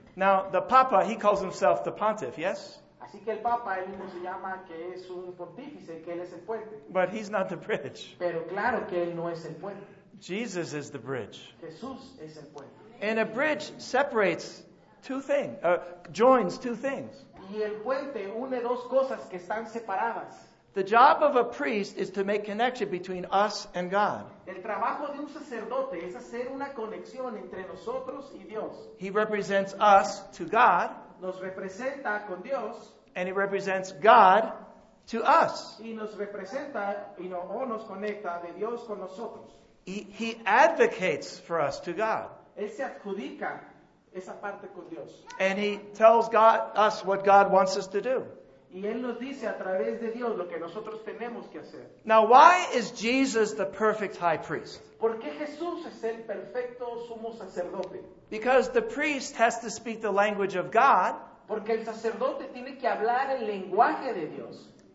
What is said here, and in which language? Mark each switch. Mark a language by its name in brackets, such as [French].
[English] Now, the Papa, he calls himself the pontiff, yes? [Spanish] Así que el Papa, él mismo se llama que es un pontífice, que él es el puente. [English] But he's not the bridge. [Spanish] Pero claro que él no es el puente. [English] Jesus is the bridge. [Spanish] Jesús es el puente. [English] And a bridge separates two things, joins two things. [Spanish] Y el puente une dos cosas que están separadas. [English] The job of a priest is to make connection between us and God. [Spanish] El trabajo de un sacerdote es hacer una conexión entre nosotros y Dios. [English] He represents us to God. [Spanish] Nos representa con Dios. [English] And he represents God to us. [Spanish] Y nos representa y no, o nos conecta de Dios con nosotros. [English] He advocates for us to God. [Spanish] Él se adjudica esa parte con Dios. [English] And he tells God, us what God wants us to do. [Spanish] Y él nos dice a través de Dios lo que nosotros tenemos que hacer. [English] Now, why is Jesus the perfect high priest? [Spanish] ¿Por qué Jesús es el perfecto sumo sacerdote? [English] Because the priest has to speak the language of God. [Spanish] Porque el sacerdote tiene que hablar el lenguaje de Dios.